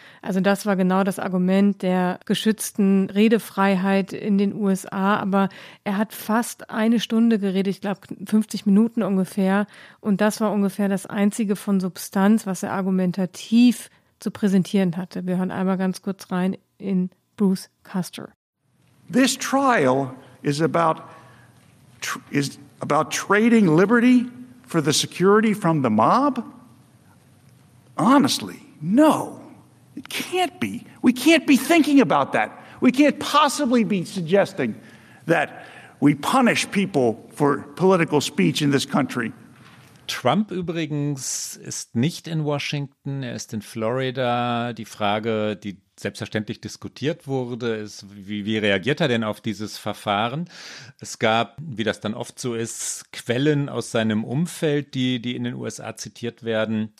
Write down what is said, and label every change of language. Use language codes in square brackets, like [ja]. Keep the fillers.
[de] Also das war genau das Argument der geschützten. Redefreiheit in den USA, aber er hat fast eine Stunde geredet, ich glaube 50 Minuten ungefähr. Und das war ungefähr das Einzige von Substanz, was er argumentativ zu präsentieren hatte. Wir hören einmal ganz kurz rein in Bruce Custer. [en] This trial is about, is about trading liberty for the security from the mob? Honestly, no. It can't be. We can't be thinking about that. We can't possibly be suggesting that we punish people for political speech in this country. [de] Trump übrigens ist nicht in Washington, er ist in Florida. Die Frage, die selbstverständlich diskutiert wurde. Ist, wie, wie, reagiert er denn auf dieses Verfahren? Es gab, wie das dann oft so ist, Quellen aus seinem Umfeld, die, die in den USA zitiert werden.